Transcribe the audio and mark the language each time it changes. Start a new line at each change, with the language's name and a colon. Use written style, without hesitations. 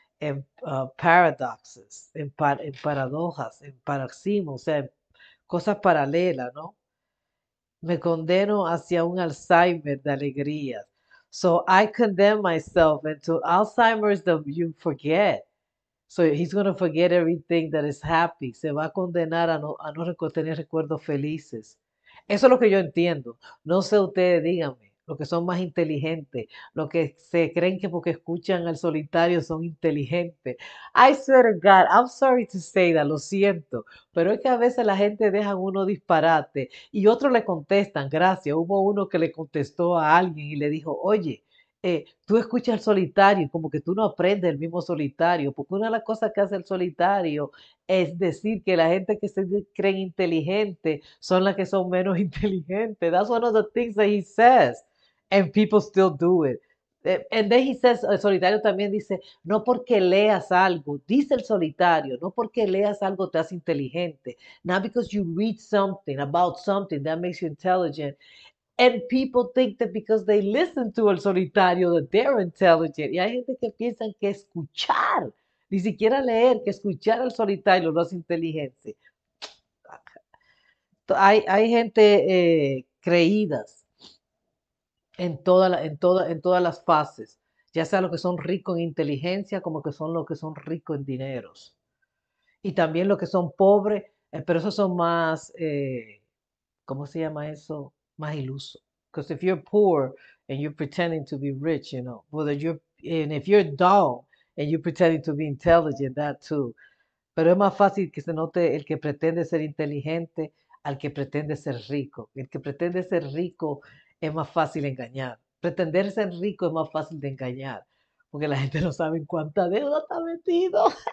Spanish: En paradoxes, en paradojas, en paroxismos, o sea, en cosas paralelas, ¿no? Me condeno hacia un Alzheimer de alegrías.
English: So I condemn myself into Alzheimer's the you forget. So he's going to forget everything that is happy.
Spanish: Se va a condenar a no tener recuerdos felices. Eso es lo que yo entiendo. No sé ustedes, díganme. Los que son más inteligentes, los que se creen que porque escuchan al solitario son inteligentes.
English: I swear to God, I'm sorry to say that,
Spanish: lo siento, pero es que a veces la gente deja uno disparate y otros le contestan, gracias. Hubo uno que le contestó a alguien y le dijo, oye, tú escuchas al solitario, como que tú no aprendes el mismo solitario, porque una de las cosas que hace el solitario es decir que la gente que se creen inteligente son las que son menos inteligentes.
English: That's one of the things that he says. And people still do it. And then he says,
Spanish: el solitario también dice, no porque leas algo, dice el solitario, no porque leas algo te hace inteligente.
English: Not because you read something about something that makes you intelligent. And people think that because they listen to el solitario that they're intelligent.
Spanish: Y hay gente que piensa que escuchar, ni siquiera leer, que escuchar al solitario lo hace inteligente. Hay gente creídas. En todas las fases, ya sea lo que son ricos en inteligencia como que son los que son ricos en dineros. Y también lo que son pobres, pero esos son más, ¿cómo se llama eso? Más iluso.
English: Because if you're poor and you're pretending to be rich, you know, whether you're, and if you're dumb And you pretending to be intelligent, that too.
Spanish: Pero es más fácil que se note el que pretende ser inteligente al que pretende ser rico. El que pretende ser rico es más fácil engañar. Pretender ser rico es más fácil de engañar, porque la gente no sabe en cuánta deuda está metido.